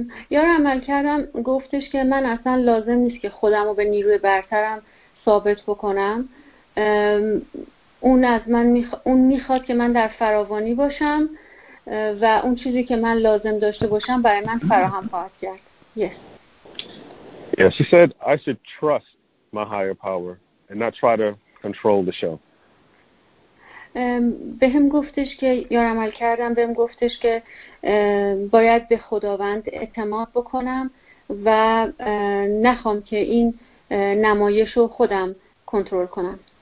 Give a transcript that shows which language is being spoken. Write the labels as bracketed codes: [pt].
[fa] یار عمل کردم گفتش که من اصلا لازم نیست که خودم رو به نیروی برترم ثابت بکنم، اون میخواد که من در فراوانی باشم و اون چیزی که من لازم داشته باشم برای من فراهم خواهد کرد. [en] Yes, she said I should trust my higher power and not try to control the show. [fa] بهم گفتش که یار عمل کردم بهم گفتش که باید به خداوند اعتماد بکنم و نخوام که این نمایش رو خودم کنترل کنم.